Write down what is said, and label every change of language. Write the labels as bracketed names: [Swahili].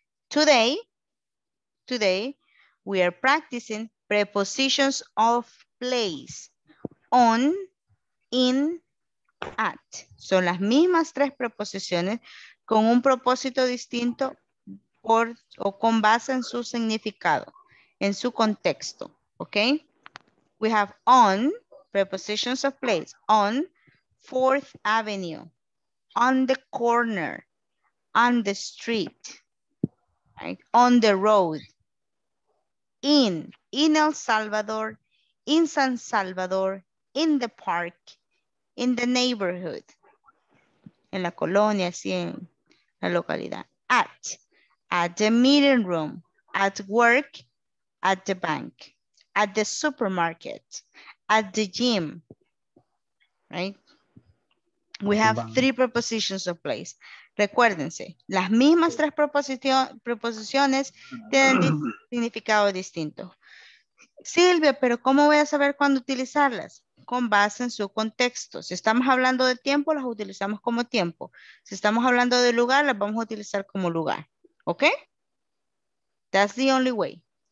[English] Today, we are practicing prepositions of place, on, in, at. [Spanish] Son las mismas tres preposiciones con un propósito distinto por o con base en su significado, en su contexto. [English] Okay? We have on, prepositions of place, on 4th Avenue, on the corner, on the street, right? On the road, in El Salvador, in San Salvador, in the park, in the neighborhood, [Spanish] en la colonia, sí, en la localidad, [English] at the meeting room, at work, at the bank, at the supermarket, at the gym, right? We have three prepositions of place. [Spanish] Recuérdense, las mismas tres preposiciones tienen significado distinto. Silvia, pero ¿cómo voy a saber cuándo utilizarlas? Con base en su contexto. Si estamos hablando de tiempo, las utilizamos como tiempo. Si estamos hablando de lugar, las vamos a utilizar como lugar. [English] Okay? That's the only way.